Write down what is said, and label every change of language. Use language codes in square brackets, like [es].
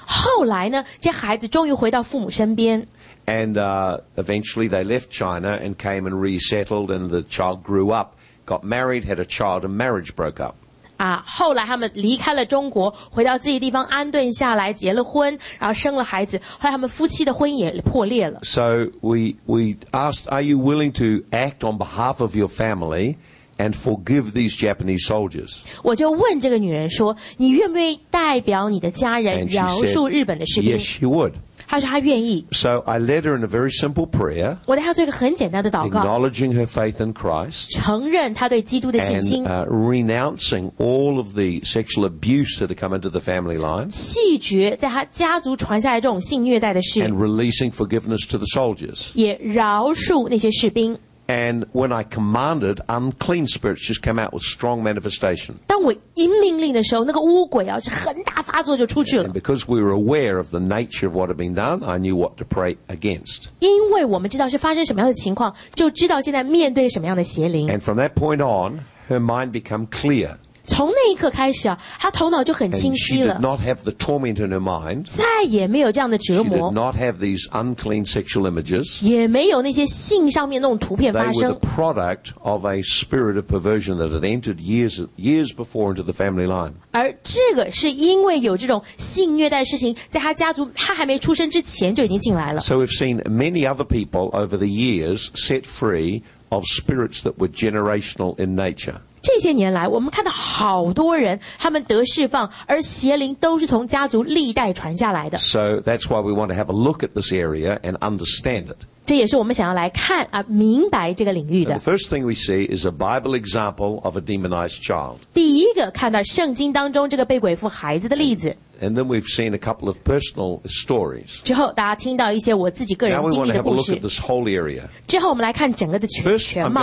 [zh] 后来呢，这孩子终于回到父母身边。 [en] And eventually they left China and came and resettled, and the child grew up, got married, had a child, and marriage broke up. [zh] 啊，后来他们离开了中国，回到自己地方安顿下来，结了婚，然后生了孩子。后来他们夫妻的婚姻也破裂了。 [en] So we asked, are you willing to act on behalf of your family and forgive these Japanese soldiers? [zh] 我就问这个女人说，你愿不愿意代表你的家人饶恕日本的士兵？ [en] And she said, yes, she would. [zh] 她说她愿意。 [en] So I led her in a very simple prayer. [zh] 我带她做一个很简单的祷告。 [en] Acknowledging her faith in Christ. [zh] 承认她对基督的信心。 [en] And renouncing all of the sexual abuse that had come into the family line. [zh] 弃绝在她家族传下来这种性虐待的事。 [en] And releasing forgiveness to the soldiers. [zh] 也饶恕那些士兵。 [en] And when I commanded, unclean spirits just came out with strong manifestation. [zh] 当我一命令的时候，那个巫鬼啊，是很大发作就出去了。 [en] And because we were aware of the nature of what had been done, I knew what to pray against. [zh] 因为我们知道是发生什么样的情况，就知道现在面对什么样的邪灵。 [en] And from that point on, her mind became clear. [zh] 从那一刻开始啊，她头脑就很清晰了。 [en] And she did not have the torment in her mind. [zh] 再也没有这样的折磨。 [en] She did not have these unclean sexual images. [zh] 也没有那些性上面那种图片发生。 [en] They were the product of a spirit of perversion that had entered years before into the family line. [zh] 而这个是因为有这种性虐待的事情，在她家族她还没出生之前就已经进来了。 [en] So we've seen many other people over the years set free. Of spirits that were generational in nature. [zh] 这些年来，我们看到好多人，他们得释放，而邪灵都是从家族历代传下来的。 [en] So that's why we want to have a look at this area and understand it. [zh] 这也是我们想要来看啊，明白这个领域的。 [en] The first thing we see is a Bible example of a demonized child. [zh] 第一个看到圣经当中这个被鬼附孩子的例子。 [en] And then we've seen a couple of personal stories. [zh] 之后大家听到一些我自己个人经历的故事。 [en] Now we want to have a look at this whole area. [zh] 之后我们来看整个的全貌。